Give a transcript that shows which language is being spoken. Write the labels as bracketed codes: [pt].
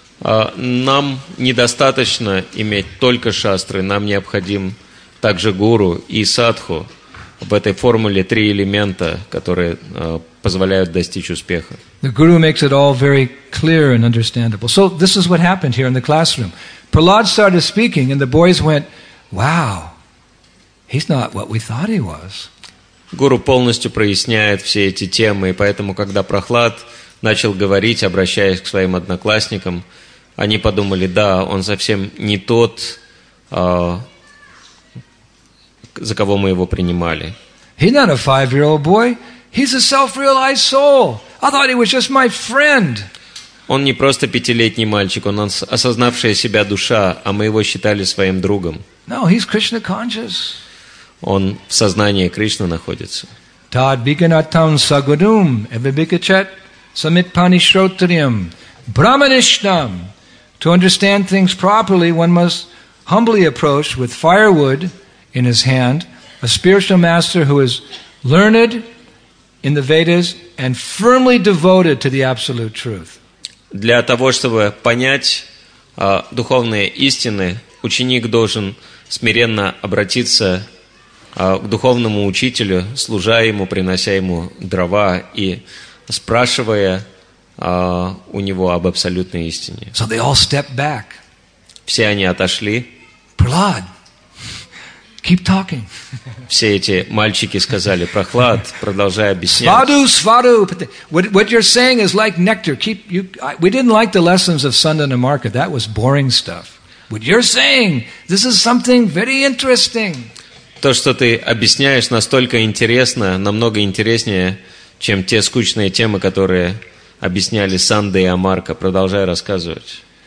[ru] Нам недостаточно иметь только шастры. Нам необходим также гуру и садху. В этой формуле три элемента, которые позволяют достичь успеха. [en] The guru makes it all very clear and understandable. So this is what happened here in the classroom. Prahlad started speaking, and the boys went, "Wow, he's not what we thought he was." [ru] Guru полностью проясняет все эти темы, и поэтому, когда Прохлад начал говорить, обращаясь к своим одноклассникам, они подумали: "Да, он совсем не тот, за кого мы его принимали." [en] He's not a five-year-old boy. He's a self-realized soul. I thought he was just my friend. [ru] Он не просто пятилетний мальчик, он осознавшая себя душа, а мы его считали своим другом. [en] No, he's Krishna conscious. [ru] Он в сознании Кришны находится. [sa] Tad bhikanatam sagudum evibhikachet samitpani shrotriyam brahmanishnam. [en] To understand things properly, one must humbly approach with firewood in his hand a spiritual master who is learned in the Vedas and firmly devoted to the absolute truth. [ru] Для того, чтобы понять духовные истины, ученик должен смиренно обратиться к духовному учителю, служа ему, принося ему дрова и спрашивая у него об абсолютной истине. [en] So they all stepped back. [ru] Все они отошли. [en] Prahlad, keep talking. [ru] Все эти мальчики сказали: "Прохлад, продолжай объяснять." [sa] Svadhu, svadhu. [en] What you're saying is like nectar. We didn't like the lessons of Sundanamarka. That was boring stuff. What you're saying, this is something very interesting. [ru] То, что ты объясняешь, настолько интересно, намного интереснее, чем те скучные темы, которые объясняли Санда и Амарка. Продолжай рассказывать.